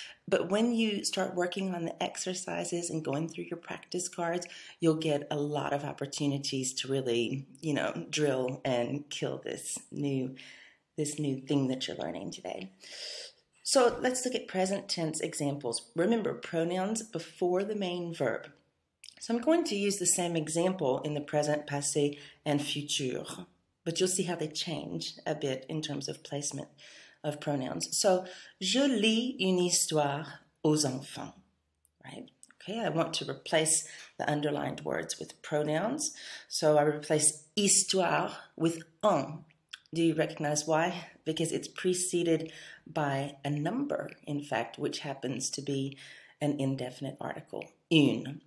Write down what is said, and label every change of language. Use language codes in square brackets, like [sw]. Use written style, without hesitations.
[en] But when you start working on the exercises and going through your practice cards, you'll get a lot of opportunities to really, you know, drill and kill this new thing that you're learning today. So let's look at present tense examples. Remember, pronouns before the main verb. So I'm going to use the same example in the present, passé, and futur, but you'll see how they change a bit in terms of placement of pronouns. [fr] So, je lis une histoire aux enfants, right? [en] Okay, I want to replace the underlined words with pronouns. So I replace histoire with en. Do you recognize why? Because it's preceded by a number, in fact, which happens to be an indefinite article, une.